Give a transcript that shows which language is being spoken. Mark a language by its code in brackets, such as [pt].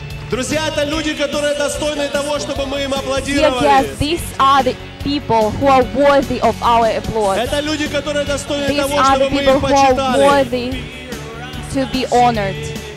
[ru] Друзья, это люди, которые достойны того, чтобы мы им аплодировали. [en] Yes, these are the people who are worthy of our applause. [ru] Это люди, которые достойны того, чтобы мы их почитали. [en] These are the people who are worthy to be honored.